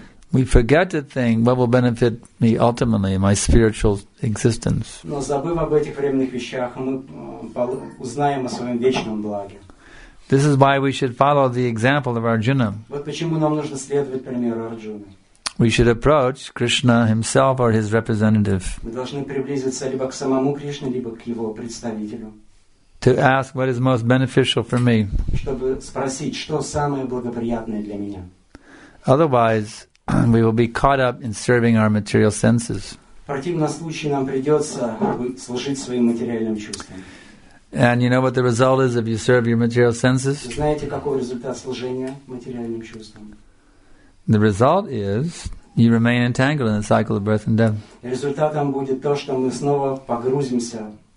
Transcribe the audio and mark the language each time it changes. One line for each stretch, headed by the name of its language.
English: We forget to think what will benefit me ultimately in my spiritual existence.
Russian: Но забыв об этих временных вещах, мы узнаем о своем вечном благе.
English: This is why we should follow the example of Arjuna.
Russian: Вот почему нам нужно следовать примеру Арджуны.
English: We should approach Krishna himself or his representative.
Russian: Мы должны приблизиться либо к самому Кришне, либо к его представителю.
English: To ask what is most beneficial for me.
Russian: Чтобы спросить, что самое благоприятное для меня.
English: Otherwise, we will be caught up in serving our material senses.
Russian: В противном случае нам придется служить своим материальным чувствам.
English: And you know what the result is if you serve your material senses?
Russian: Знаете, какой результат служения материальным чувствам?
English: The result is you remain entangled in the cycle of birth and death.
Russian: Результатом будет то, что мы снова погрузимся.